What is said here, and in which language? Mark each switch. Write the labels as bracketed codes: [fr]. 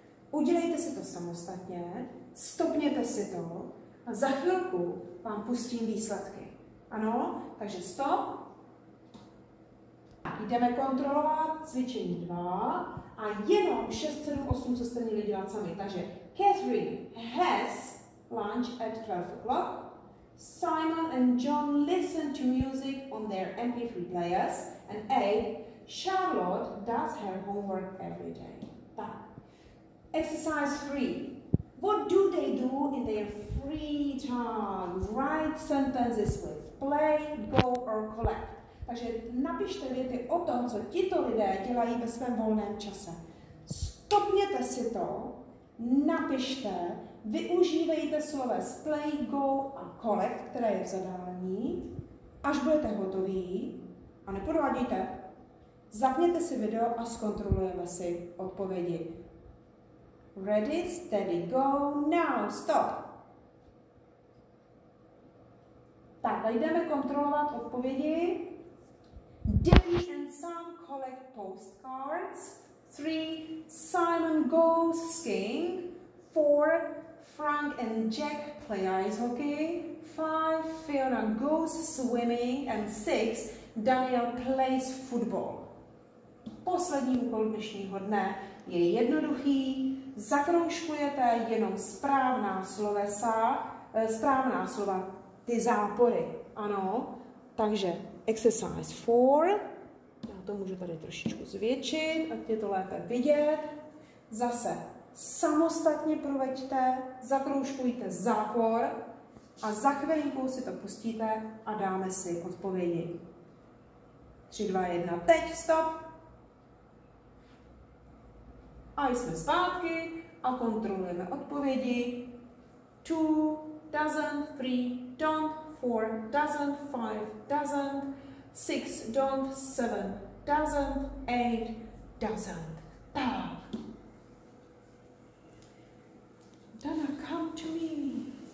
[cs] Udělejte si to samostatně, stopněte si to a za chvilku vám pustím výsledky. Ano, takže stop. Jdeme kontrolovat cvičení 2 a jenom 6, 7, 8, co jste měli dělat sami. Takže [en] Catherine has lunch at 12 o'clock. Simon and John listen to music on their MP3 players. And A, Charlotte does her homework every day. [cs] Tak. [en] Exercise 3. What do they do in their free time? Write sentences with play, go or collect. [cs] Takže napište věty o tom, co tito lidé dělají ve svém volném čase. Stopněte si to, napište, využívejte sloves play, go a collect, které je v zadání, až budete hotoví a neprovádějte. Zapněte si video a zkontrolujeme si odpovědi. [en] Ready, steady, go, now, stop. [cs] Tak, jdeme kontrolovat odpovědi. [en] Debbie and Sam collect postcards. 3. Simon goes skiing. 4. Frank and Jack play ice hockey. 5. Fiona goes swimming. And 6. Daniel plays football. [cs] Poslední úkol dnešního dne je jednoduchý. Zakroužkujete jenom správná slovesa, správná slova, ty zápory. Ano, takže exercise 4. Já to můžu tady trošičku zvětšit, ať je to lépe vidět. Zase samostatně proveďte, zakroužkujte zápor a za chvilku si to pustíte a dáme si odpovědi. 3, 2, 1, teď stop. A jsme zpátky a kontrolujeme odpovědi. [en] 2, doesn't, 3, don't, 4, doesn't, 5, doesn't. 6, don't, 7, doesn't, 8, doesn't. Dana, come to me.